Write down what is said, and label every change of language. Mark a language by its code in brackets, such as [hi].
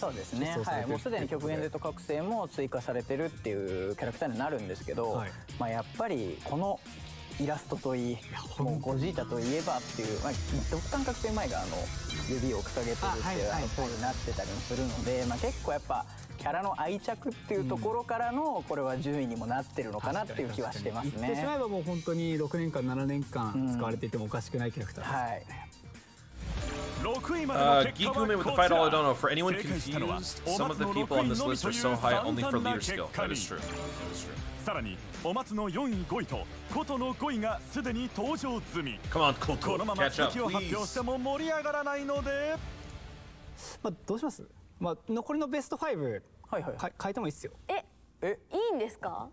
[ja] そうですね、はい、もうすでに極限Z覚醒も追加されてるっていうキャラクターになるんですけど、はい、まあ、やっぱりこのイラストといい、もうゴジータといえばっていう、まあ、ドッカン覚醒前があの指を掲げてるっていうあのポーズになってたりもするので、まあ、結構やっぱキャラの愛着っていうところからのこれは順位にもなってるのかなっていう気はしてますね。言ってしまえばもう本当に6年間7年間使われていてもおかしくないキャラクターです、うん、はい。 [en] Geek Ume with the $5 dono. For anyone confused, some of the people on this list are so high only for leader skill. That is true. [ja] さらにお松の4位5位とコトの5位がすでに登場済み。 [en] Come on, Koto. [ja] このまま席を発表しても盛り上がらないので、まあ、どうします、まあ、残りのベスト5、はいはい、変えてもいいっすよ。いいんですか？